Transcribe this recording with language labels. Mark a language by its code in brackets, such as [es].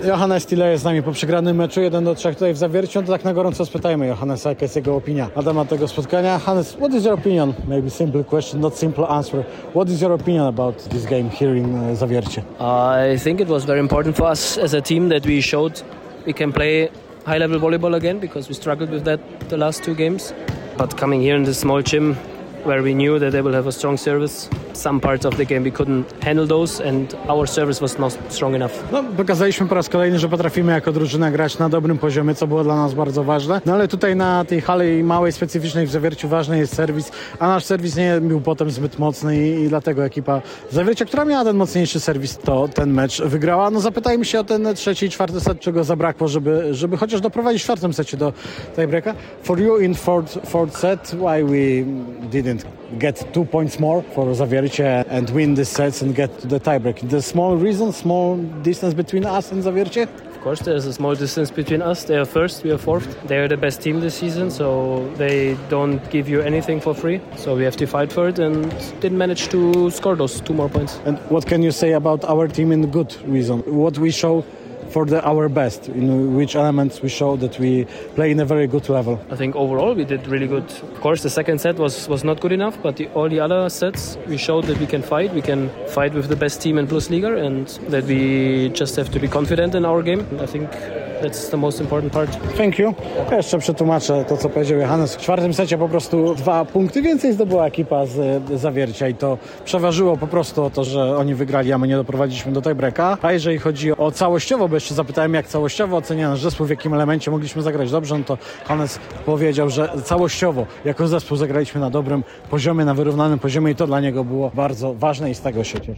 [pl] Johannes Tiller jest z nami po przegranym meczu 1-3 tutaj w Zawierciu. To tak na gorąco spytajmy Johannesa, jaka jest jego opinia na temat tego spotkania. [en] Johannes, what is your opinion? Maybe simple question, not simple answer. What is your opinion about this game here in Zawiercie? I think it was very important for us as a team that we showed we can play high level volleyball again, because we struggled with that the last two games. But coming here in this small gym where we knew that they will have a strong service, some parts of the game we couldn't handle those and our service was not strong enough. [pl] No, pokazaliśmy po raz kolejny, że potrafimy jako drużyna grać na dobrym poziomie, co było dla nas bardzo ważne. No ale tutaj na tej hali małej, specyficznej w Zawierciu ważny jest serwis, a nasz serwis nie był potem zbyt mocny i dlatego ekipa Zawiercia, która miała ten mocniejszy serwis, to ten mecz wygrała. No zapytajmy się o ten trzeci i czwarty set, czego zabrakło, żeby chociaż doprowadzić w czwartym secie do tiebreaka. [en] For you in fourth set, why we didn't get 2 points more for Zawiercie and win the sets and get to the tiebreak? The small reason, small distance between us and Zawiercie? Of course, there's a small distance between us. They are first, we are fourth. They are the best team this season, so they don't give you anything for free. So we have to fight for it and didn't manage to score those 2 more points. And what can you say about our team in good reason? What we show for our best, in which elements we show that we play in a very good level? I think overall we did really good. Of course, the second set was not good enough, but all the other sets we showed that we can fight. We can fight with the best team in Plusliga and that we just have to be confident in our game. I think that's the most important part. Thank you. [pl] Ja jeszcze przetłumaczę to, co powiedział Johannes. W czwartym secie po prostu 2 punkty więcej zdobyła ekipa z Zawiercia i to przeważyło po prostu o to, że oni wygrali, a my nie doprowadziliśmy do tiebreaka. A jeżeli chodzi o całościowo, bo jeszcze zapytałem, jak całościowo ocenia nasz zespół, w jakim elemencie mogliśmy zagrać dobrze, no to Johannes powiedział, że całościowo jako zespół zagraliśmy na dobrym poziomie, na wyrównanym poziomie i to dla niego było bardzo ważne i z tego się cieszę.